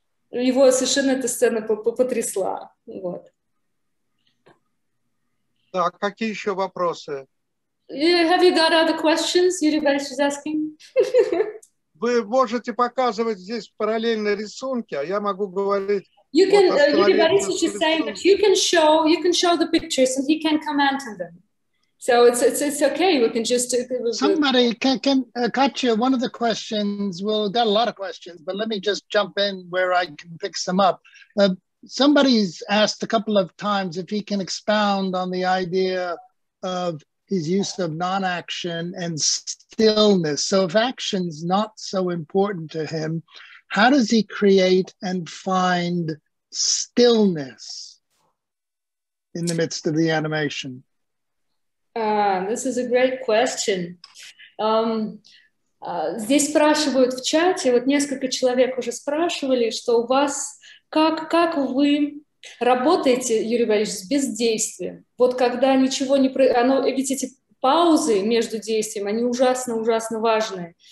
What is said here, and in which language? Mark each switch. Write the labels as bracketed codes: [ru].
[ru] Его совершенно эта сцена потрясла. Вот. Так, какие еще вопросы? [en] Have you got other questions? Yuri Boris is asking. [ru] Вы можете показывать здесь параллельно рисунки, а я могу говорить. [en] You can, Yuri Borisovich is saying that you can show the pictures and he can comment on them. So it's okay. We can just. Somebody can Katya. One of the questions. We've got a lot of questions, but let me just jump in where I can pick some up. Somebody's asked a couple of times if he can expound on the idea of his use of non-action and stillness. So if action's not so important to him, how does he create and find stillness in the midst of the animation? This is a great question. [ru] Здесь спрашивают в чате, вот несколько человек уже спрашивали, что у вас, как вы работаете, Юрий Борисович, с бездействием? Вот когда ничего не... Оно, ведь эти паузы между действием, они ужасно-ужасно важные.